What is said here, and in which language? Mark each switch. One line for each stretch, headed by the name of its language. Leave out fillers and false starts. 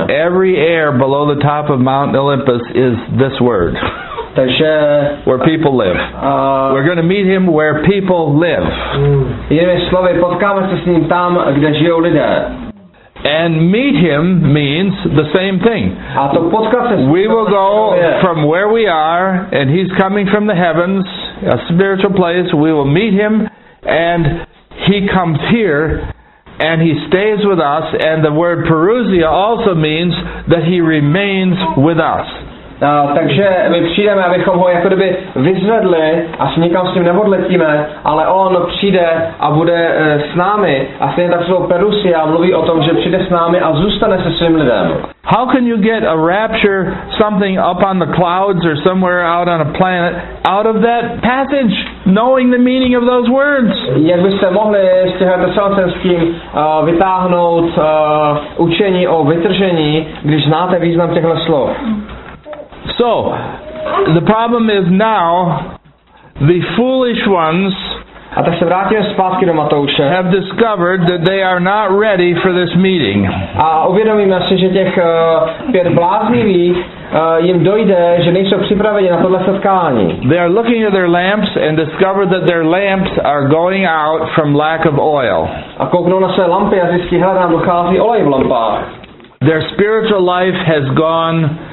English: Every air below the top of Mount Olympus is this word.
Czech: Takže
English: where people live. We're going to meet him where people live.
Czech: Jinými slovy, potkáme se s ním tam, kde žijou lidé.
English: And meet him means the same thing.
Czech: A to potkat se.
English: We will go from where we are, and he's coming from the heavens, a spiritual place. We will meet him, and he comes here, and he stays with us. And the word parousia also means that he remains with us.
Czech: Takže my přijdeme, abychom ho jako kdyby vyzvedli, a si nikam s ním neodletíme, ale on přijde a bude s námi. A stejně tak slovo perusia mluví o tom, že přijde s námi a zůstane se svým lidem.
English: How can you get a rapture, something up on the clouds or somewhere out on a planet, out of that passage, knowing the meaning of those words?
Czech: Jak byste mohli z těchto tesalonickým vytáhnout učení o vytržení, když znáte význam těchto slov?
English: So, the problem is now, the foolish ones
Czech: a tak se vrátíme zpátky do Matouše,
English: have discovered that they are not ready for this meeting.
Czech: A uvědomíme si, že těch pět bláznivých jim dojde, že nejsou připraveni na tohle setkání.
English: They are looking at their lamps and discover that their lamps are going out from lack of oil.
Czech: A kouknou na své lampy a zjistí, hele, nám dochází olej v lampách.
English: Their spiritual life has gone